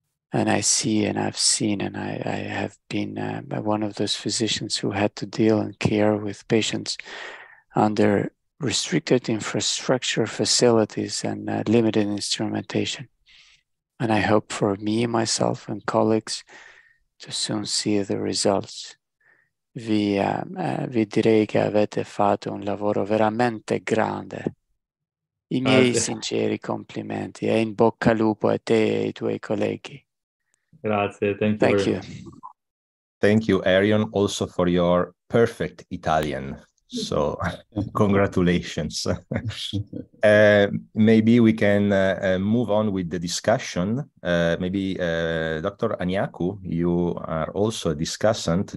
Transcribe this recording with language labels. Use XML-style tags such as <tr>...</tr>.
<en>And I see and I've seen, and I have been one of those physicians who had to deal and care with patients under restricted infrastructure facilities and limited instrumentation. And I hope for me, myself, and colleagues to soon see the results.</en> <it>Vi direi che avete fatto un lavoro veramente grande. I miei sinceri complimenti e in bocca al lupo a te e ai tuoi colleghi. Grazie,</it> <en>thank you. Thank you, Arion, also for your perfect Italian. So, congratulations. Maybe we can move on with the discussion. Dr. Aniaku, you are also a discussant.</en>